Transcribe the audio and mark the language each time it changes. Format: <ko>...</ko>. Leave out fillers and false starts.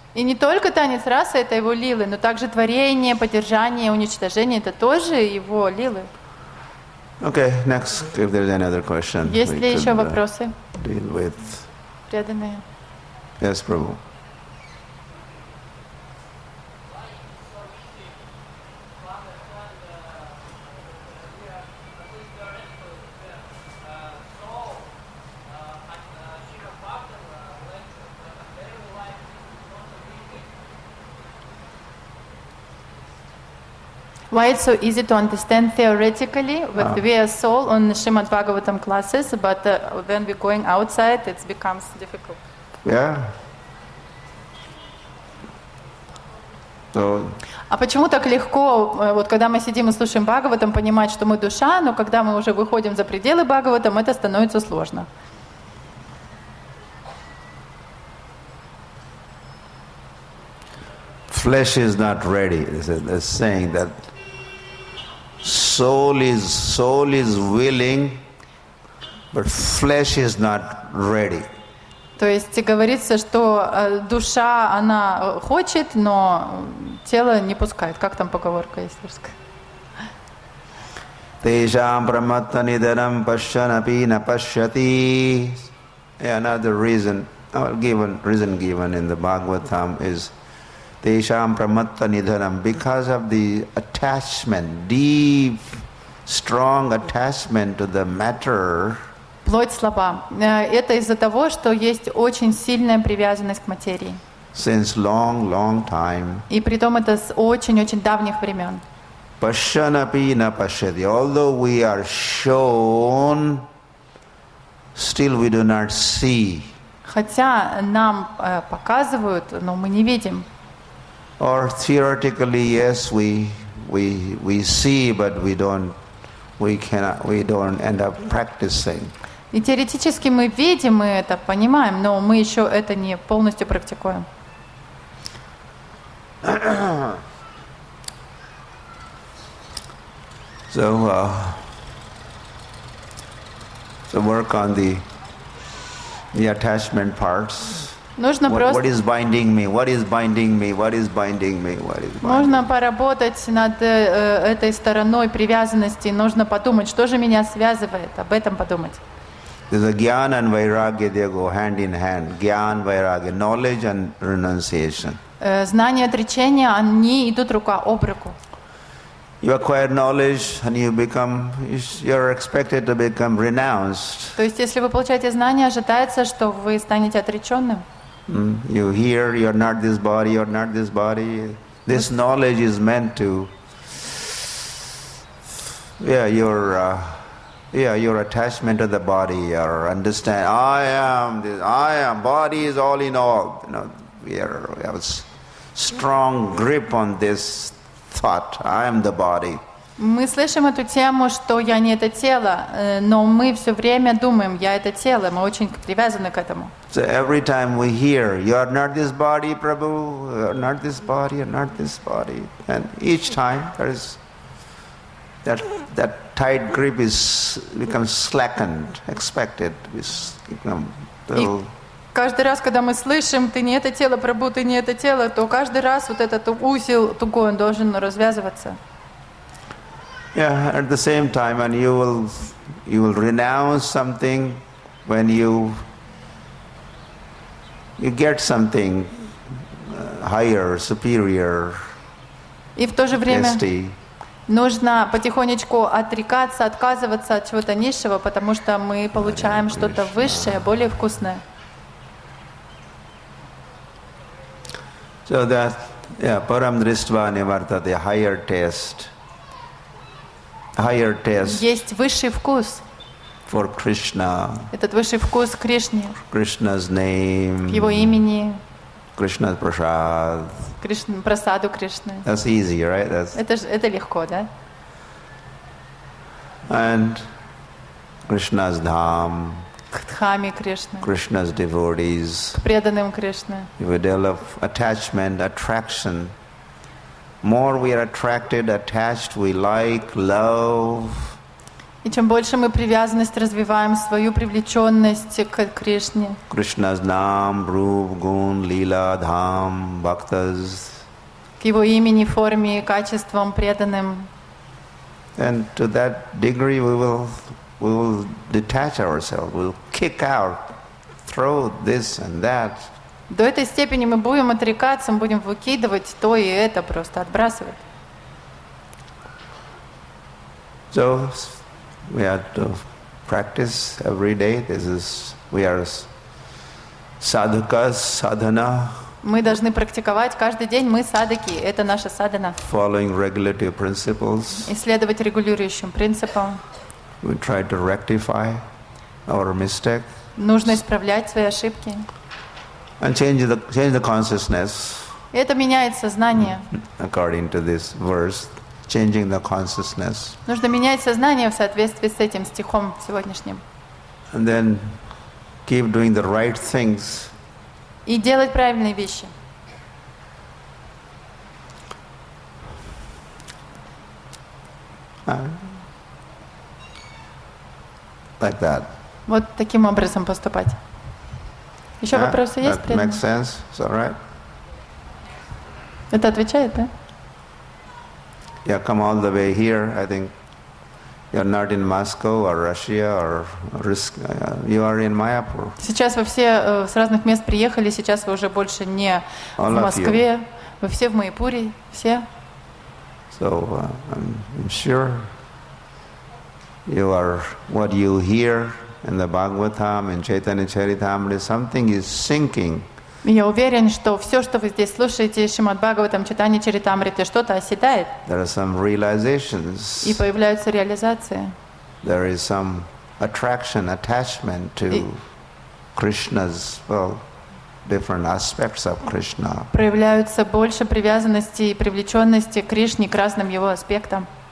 <ru>И не только танец раса, это его лилы, но также творение, поддержание, уничтожение, это тоже его лилы.</ru> <en>Okay, next, if there's any other question.</en> <ru>Есть ли еще вопросы?</ru> <en>Deal with.</en> <ru>Преданные.</ru> <en>Yes, Prabhu. Why it's so easy to understand theoretically with the via soul on the Srimad Bhagavatam classes, but when we're going outside, it becomes difficult. Yeah. So.</en> <ru>А почему так легко, вот когда мы сидим и слушаем Бхагаватам, понимать, что мы душа, но когда мы уже выходим за пределы Бхагаватам, это становится сложно.</ru> <en>Flesh is not ready. It's saying that soul is willing, but flesh is not ready.</en> <ru>То есть говорится, что душа она хочет, но тело не пускает. Как там поговорка есть русская?</ru> <sa>Тешам брахматта нидарам пашчанапи на пашчати.</sa> <en>Another reason, given in the Bhagavatam is</en> <sa>Tesham Pramatta Nidharam,</sa> <en>because of the attachment, deep, strong attachment to the matter.</en> <ru>Плоть слаба. Это из-за того, что есть очень сильная привязанность к материи.</ru> <en>Since long, long time.</en> <ru>И при том это с очень-очень давних времен.</ru> <sa>Pashyanapi na pashyati.</sa> <en>Although we are shown, still we do not see.</en> <ru>Хотя нам показывают, но мы не видим.</ru> <en>Or theoretically, yes, we see, but we don't end up practicing.</en> <ru>И теоретически мы видим, мы это понимаем, но мы еще это не полностью практикуем.</ru> <en>So, So work on the attachment parts. What is binding me? What is binding me? What is binding me? What is binding?</en> <ru>Нужно поработать над этой стороной привязанности. Нужно подумать, что же меня связывает. Об этом подумать.</ru> <en>There's a gyan and vairagya. They go hand in hand. Gyan, vairagya, knowledge and renunciation.</en> <ru>Знание, отречение, они идут рука об руку.</ru> <en>You acquire knowledge and you become, you're expected to become renounced.</en> <ru>То есть, если вы получаете знания, ожидается, что вы станете отреченным.</ru> <en>You hear, you're not this body, you're not this body. This knowledge is meant to, your attachment to the body, or understand, I am, body is all in all. You know, we have a strong grip on this thought, I am the body.</en> <ru>Мы слышим эту тему, что я не это тело, но мы все время думаем, я это тело, мы очень привязаны к этому.</ru> <en>So every time we hear, you are not this body, Prabhu, you are not this body, you are not this body. And each time there is that tight grip is becomes slackened, expected, become little.</en> <ru>Каждый раз, когда мы слышим, ты не это тело, Прабху, ты не это тело, то каждый раз вот этот узел тугой, он должен развязываться.</ru> <en>Yeah, at the same time, and you will renounce something when you get something higher, superior.</en> <ru>И в то же время нужно потихонечку отрекаться, отказываться от чего-то низшего, потому что мы получаем что-то высшее, более вкусное.</ru> <en>So that,</en> <sa>param dristva nivartate,</sa> <en>higher taste. Higher taste.</en> <ru>Есть высший вкус.</ru> <en>For Krishna.</en> <ru>Этот высший вкус Кришне.</ru> <en>Krishna's name.</en> <ru>Его имени.</ru> <en>Krishna's prasad.</en> <ru>Кришна прасаду Кришны.</ru> <en>That's easy, right? That's.</en> <ru>Это легко, да?</ru> <en>And Krishna's dham.</en> <ru>К дхаме Кришны.</ru> <en>Krishna's devotees.</en> <ru>К преданным Кришны.</ru> <en>If we develop attachment, attraction. More we are attracted, attached, we like, love.</en> <ru>И чем больше мы привязанность развиваем, свою привлеченность к Кришне.</ru> <en>Krishna's naam, roop, gun, lila, dham, bhaktas.</en> <ru>К его имени, форме, качествам преданным.</ru> <en>And to that degree we will detach ourselves, we'll kick out, throw this and that.</en> <ru>До этой степени мы будем отрекаться, мы будем выкидывать то и это, просто отбрасывать.</ru> <en>So we have to practice every day. This is we are sadhakas, sadhana.</en> <ru>Мы должны практиковать каждый день. Мы садхаки. Это наша садхана.</ru> <en>Following regulative principles.</en> <ru>Исследовать регулирующим принципам.</ru> <en>We try to rectify our mistake.</en> <ru>Нужно исправлять свои ошибки.</ru> <en>And change the consciousness.</en> <ru>Это меняет сознание.</ru> <en>According to this verse, changing the consciousness.</en> <ru>Нужно менять сознание в соответствии с этим стихом сегодняшним.</ru> <en>And then keep doing the right things.</en> <ru>И делать правильные вещи.</ru> <en>Like that.</en> <ru>Вот таким образом поступать. Еще вопросы есть?</ru> <en>That</en> <ru>преданные?</ru> <en>Makes sense. Is that right?</en> <ru>Это отвечает, да?</ru> <en>Yeah, come all the way here. I think you're not in Moscow or Russia or risk. You are in Mayapur.</en> <ru>Сейчас вы все с разных мест приехали. Сейчас вы уже больше не</ru> <en>all</en> <ru>в Москве. Вы все в Майяпуре. Все.</ru> <en>So I'm sure you are what you hear. In the Bhagavatam, in Chaitanya Charitamrita, something is sinking.</en> <ru>Я уверен, что все, что вы здесь слушаете, Шримад Бхагаватам, Чайтанья Чаритамрита, что-то оседает.</ru> <en>There are some realizations.</en> <ru>И появляются реализации.</ru> <en>There is some attraction, attachment to Krishna's, different aspects of Krishna.</en> <ru>Проявляются больше привязанности и привлеченности к Кришне, к разным его аспектам.</ru>